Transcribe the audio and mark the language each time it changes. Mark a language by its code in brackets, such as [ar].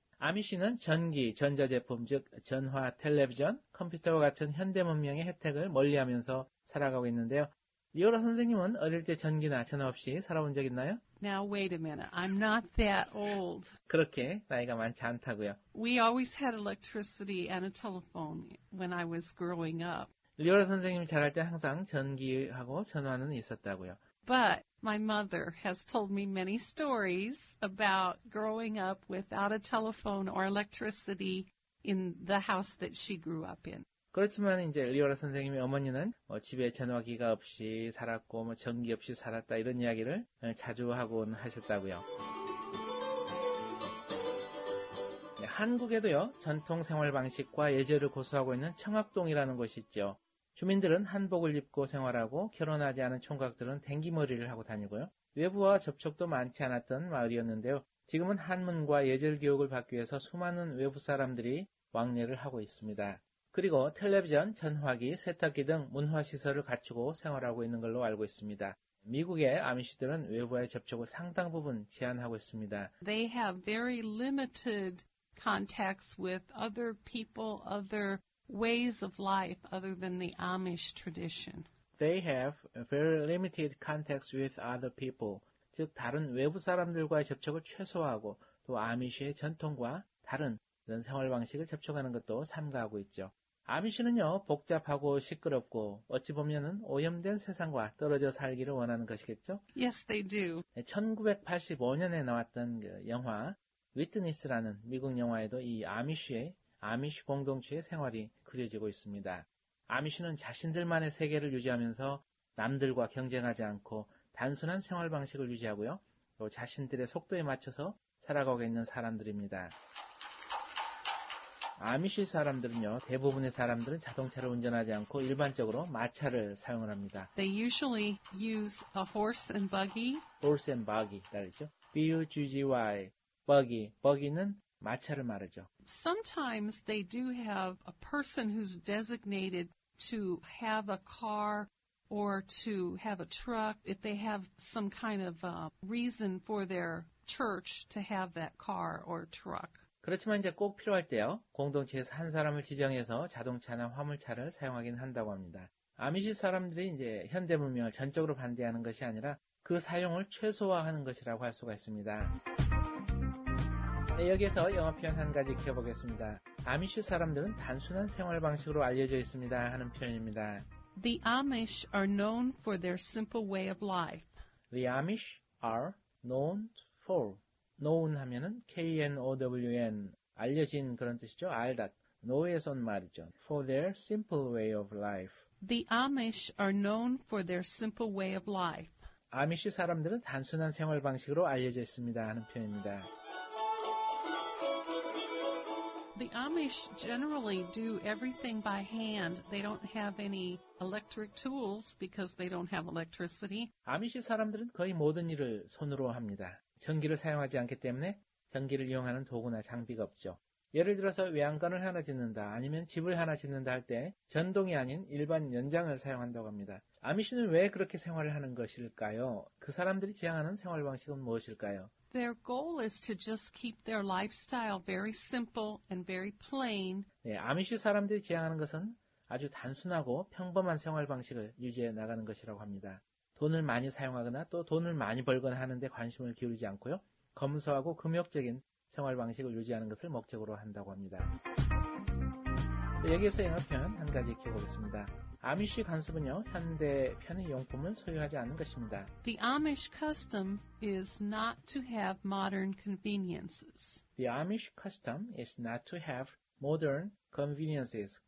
[ko] 아미시는 전기, 전자제품, 즉 전화, 텔레비전, 컴퓨터와 같은 현대문명의 혜택을 멀리하면서 살아가고 있는데요. 리오라 선생님은 어릴 때 전기나 전화 없이 살아본 적 있나요? [en] Now wait a minute. I'm not that old. [ko] 그렇게 나이가 많지 않다고요. [en] We always had electricity and a telephone when I was growing up. [ko] 리오라 선생님이 자랄 때 항상 전기하고 전화는 있었다고요. [en] But my mother has told me many stories about growing up without a telephone or electricity in the house that she grew up in. [ko] 그렇지만 이제 리오라 선생님의 어머니는 뭐 집에 전화기가 없이 살았고 뭐 전기 없이 살았다 이런 이야기를 자주 하곤 하셨다고요. 네, 한국에도요. 전통 생활 방식과 예절을 고수하고 있는 청학동이라는 곳이 있죠. 주민들은 한복을 입고 생활하고 결혼하지 않은 총각들은 댕기머리를 하고 다니고요. 외부와 접촉도 많지 않았던 마을이었는데요. 지금은 한문과 예절 교육을 받기 위해서 수많은 외부 사람들이 왕래를 하고 있습니다. 그리고 텔레비전, 전화기, 세탁기 등 문화시설을 갖추고 생활하고 있는 걸로 알고 있습니다. 미국의 아미시들은 외부와의 접촉을 상당 부분 제한하고 있습니다. [en] They have very limited contacts with other people, other ways of life other than the Amish tradition. They have very limited contacts with other people. [ko] 즉, 다른 외부 사람들과의 접촉을 최소화하고 또 아미시의 전통과 다른 이런 생활 방식을 접촉하는 것도 삼가하고 있죠. 아미시는요, 복잡하고 시끄럽고 어찌 보면은 오염된 세상과 떨어져 살기를 원하는 것이겠죠? [en] Yes, they do. [ko] 1985년에 나왔던 그 영화 위트니스라는 미국 영화에도 이 아미시의 아미시 공동체의 생활이 그려지고 있습니다. 아미시는 자신들만의 세계를 유지하면서 남들과 경쟁하지 않고 단순한 생활 방식을 유지하고요. 또 자신들의 속도에 맞춰서 살아가고 있는 사람들입니다. 아미시 사람들은요. 대부분의 사람들은 자동차를 운전하지 않고 일반적으로 마차를 사용을 합니다. [en] They usually use a horse and buggy. Horse and buggy. [ko] 말이죠. [en] B-U-G-G-Y. Buggy. [ko] Buggy는 마차를 말하죠. [en] Sometimes they do have a person who's designated to have a car or to have a truck if they have some kind of a reason for their church to have that car or truck. [ko] 그렇지만 이제 꼭 필요할 때요. 공동체에서 한 사람을 지정해서 자동차나 화물차를 사용하긴 한다고 합니다. 아미시 사람들이 이제 현대 문명을 전적으로 반대하는 것이 아니라 그 사용을 최소화하는 것이라고 할 수가 있습니다. 네, 여기에서 영어 표현 한 가지 익혀보겠습니다. 아미시 사람들은 단순한 생활 방식으로 알려져 있습니다 하는 표현입니다. [en] The Amish are known for their simple way of life. The Amish are known for. [ko] Known 하면은 K-N-O-W-N 알려진 그런 뜻이죠. 알다. Know에선 말이죠. [en] For their simple way of life. The Amish are known for their simple way of life. [ko] 아미시 사람들은 단순한 생활 방식으로 알려져 있습니다 하는 표현입니다. [en] The Amish generally do everything by hand. They don't have any electric tools because they don't have electricity. [ko] 아미시 사람들은 거의 모든 일을 손으로 합니다. 전기를 사용하지 않기 때문에 전기를 이용하는 도구나 장비가 없죠. 예를 들어서 외양간을 하나 짓는다 아니면 집을 하나 짓는다 할 때 전동이 아닌 일반 연장을 사용한다고 합니다. 아미시는 왜 그렇게 생활을 하는 것일까요? 그 사람들이 지향하는 생활 방식은 무엇일까요? [en] Their goal is to just keep their lifestyle very simple and very plain. [ko] 네, 아미시 사람들이 지향하는 것은 아주 단순하고 평범한 생활 방식을 유지해 나가는 것이라고 합니다. 돈을 많이 사용하거나 또 돈을 많이 벌거나 하는 데 관심을 기울이지 않고요. 검소하고 금욕적인 생활 방식을 유지하는 것을 목적으로 한다고 합니다. 여기에서 영어 표현 한 가지 익혀보겠습니다. 아미시 관습은요, 현대 편의 용품을 소유하지 않는 것입니다. [en] The Amish custom is not to have modern conveniences. The Amish custom is not to have modern conveniences.